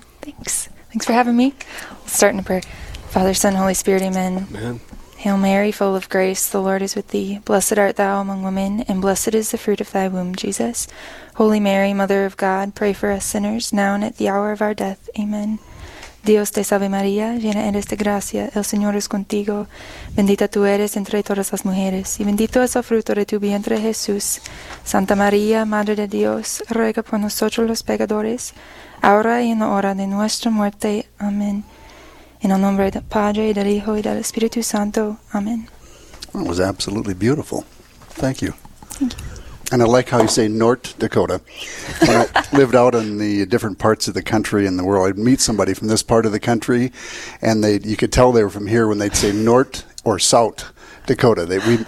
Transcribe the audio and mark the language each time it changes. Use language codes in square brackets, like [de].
[en] Thanks. Thanks for having me. Let's start in a prayer. Father, Son, Holy Spirit, amen. Amen. Hail Mary, full of grace, the Lord is with thee. Blessed art thou among women, and blessed is the fruit of thy womb, Jesus. Holy Mary, Mother of God, pray for us sinners, now and at the hour of our death. Amen. [es] Dios te salve María, llena eres de gracia, el Señor es contigo. Bendita tú eres entre todas las mujeres, y bendito es el fruto de tu vientre, Jesús. Santa María, Madre de Dios, ruega por nosotros los pecadores, ahora y en la hora de nuestra muerte. Amen. [en] In the name of the Father, and of the Son, and of the Spirit Santo. Amen. That was absolutely beautiful. Thank you. Thank you. And I like how you say North Dakota. When I lived out in the different parts of the country and the world, I'd meet somebody from this part of the country, and you could tell they were from here when they'd say North or South Dakota.